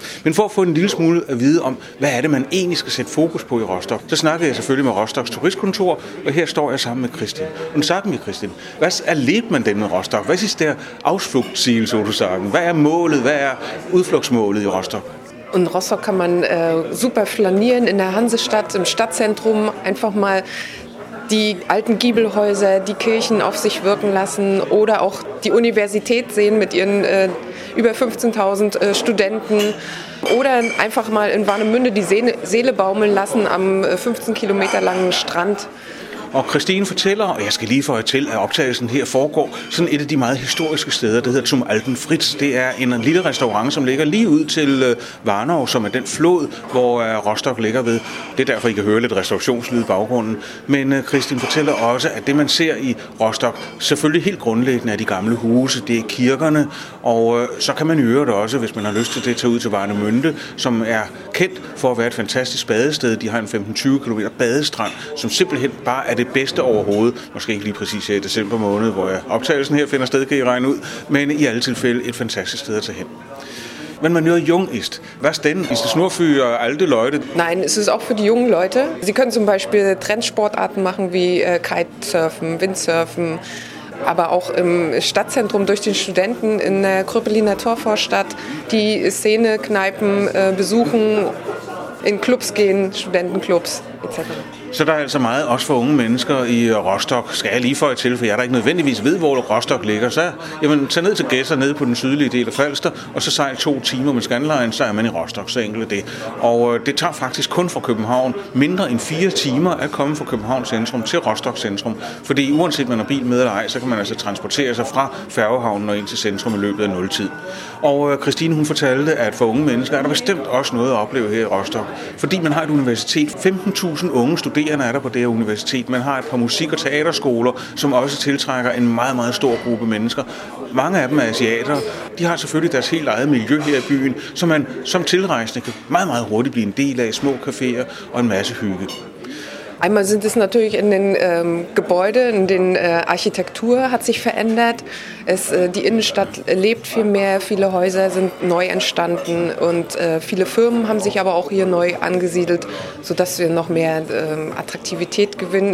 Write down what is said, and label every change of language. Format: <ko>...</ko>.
<da>Men for at få en lille smule at vide om, hvad er det, man egentlig skal sætte fokus på i Rostock, så snakker jeg selvfølgelig med Rostocks turistkontor, og her står jeg sammen med Kristin. Hun sagde mig, Kristin, hvad er lidt man den med Rostock? Hvad er der afslugt? Hvad er målet? Hvad er udflugtsmålet i Rostock?</da> <de>I Rostock kan man super flanieren in der Hansestadt, im Stadtzentrum, einfach mal die alten Giebelhäuser, die Kirchen auf sich wirken lassen oder auch die Universität sehen mit ihren über 15.000 Studenten oder einfach mal in Warnemünde die Seele baumeln lassen am 15 Kilometer langen Strand.</de> <da>Og Christine fortæller, og jeg skal lige føje til, at optagelsen her foregår sådan et af de meget historiske steder, det hedder Zum Alten Fritz. Det er en lille restaurant, som ligger lige ud til Warnow, som er den flod, hvor Rostock ligger ved. Det er derfor, I kan høre lidt restaurationslyd i baggrunden. Men Christine fortæller også, at det, man ser i Rostock, selvfølgelig helt grundlæggende er de gamle huse, det er kirkerne. Og så kan man høre det også, hvis man har lyst til det, tage ud til Warnemünde, som er kendt for at være et fantastisk badested. De har en 15-20 km badestrand, som simpelthen bare er det bedste overhovedet. Måske ikke lige præcis her i december måned, hvor jeg optagelsen her finder sted, kan I regne ud. Men i alle tilfælde et fantastisk sted at tage hen.</da> <de>Wenn man nur jung ist, was denn? Ist es nur für alte Leute? Nein, es ist auch für die jungen Leute. Sie können zum Beispiel Trendsportarten machen wie Kitesurfen, Windsurfen. Aber auch im Stadtzentrum durch den Studenten in der Kröpeliner Torvorstadt die Szene-Kneipen besuchen, in Clubs gehen, Studentenclubs etc.</de> <da>Så der er altså meget også for unge mennesker i Rostock. Skal jeg lige føje til, for jeg der ikke nødvendigvis ved, hvor Rostock ligger, så jamen, tag ned til Gedser nede på den sydlige del af Falster, og så sejl 2 timer med Scandlines, så er man i Rostock, så enkelt det. Og det tager faktisk kun fra København mindre end 4 timer at komme fra Københavns centrum til Rostock centrum, fordi uanset man har bil med eller ej, så kan man altså transportere sig fra færgehavnen og ind til centrum i løbet af 0 tid. Og Christine, hun fortalte, at for unge mennesker er der bestemt også noget at opleve her i Rostock, fordi man har et universitet. 15.000 unge studerende er der på det her universitet. Man har et par musik- og teaterskoler, som også tiltrækker en meget, meget stor gruppe mennesker. Mange af dem er asiatere. De har selvfølgelig deres helt eget miljø her i byen, som man som tilrejsende kan meget, meget hurtigt blive en del af. Små caféer og en masse hygge.</da> <de>Einmal sind es natürlich in den Gebäude, in den Architektur hat sich verändert. Die Innenstadt lebt viel mehr, viele Häuser sind neu entstanden und viele Firmen haben sich aber auch hier neu angesiedelt, sodass wir noch mehr Attraktivität gewinnen.</de>